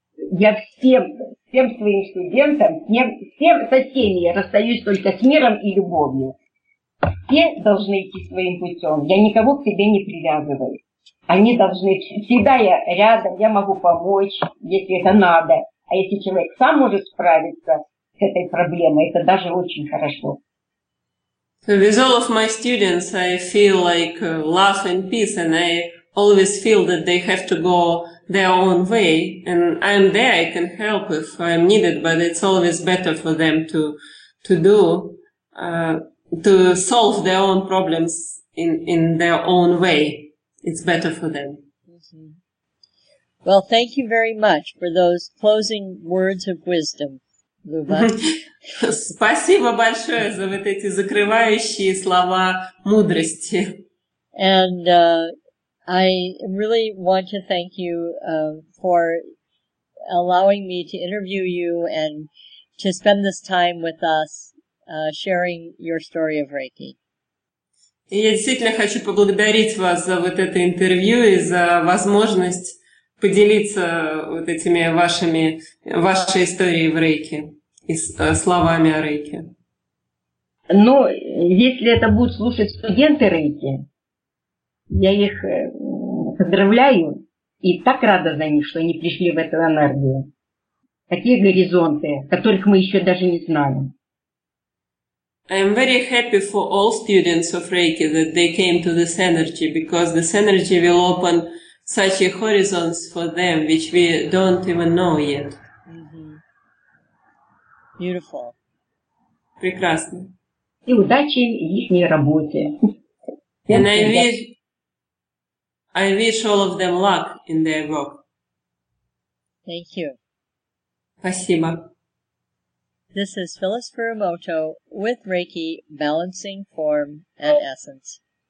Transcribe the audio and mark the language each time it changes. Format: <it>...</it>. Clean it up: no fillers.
<ru>Я всем своим студентам, всем со всеми я расстаюсь только с миром и любовью. Все должны идти своим путем. Я никого к себе не привязываю. Они должны, всегда я рядом, я могу помочь, если это надо. А если человек сам может справиться с этой проблемой, это даже очень хорошо.</ru> <en>So with all of my students, I feel like love and peace, and I always feel that they have to go their own way. And I'm there, I can help if I'm needed, but it's always better for them to solve their own problems in their own way. It's better for them. Mm-hmm. Well, thank you very much for those closing words of wisdom, Luba.</en> <ru>Спасибо большое за вот эти закрывающие слова мудрости.</ru> <en>And I really want to thank you for allowing me to interview you and to spend this time with us sharing your story of Reiki.</en> <ru>И я действительно хочу поблагодарить вас за вот это интервью и за возможность поделиться вот этими вашей историей в Рейке и словами о Рейке. Ну, если это будут слушать студенты Рейки, я их поздравляю и так рада за них, что они пришли в эту энергию. Такие горизонты, которых мы еще даже не знаем.</ru> <en>I am very happy for all students of Reiki that they came to this energy, because this energy will open such a horizons for them, which we don't even know yet. Beautiful.</en> <ru>Прекрасно. И удачи им в ихней работе.</ru> <en>And I wish all of them luck in their work. Thank you.</en> <ru>Спасибо.</ru> <en>This is Phyllis Furumoto with Reiki, Balancing Form and Essence.</en>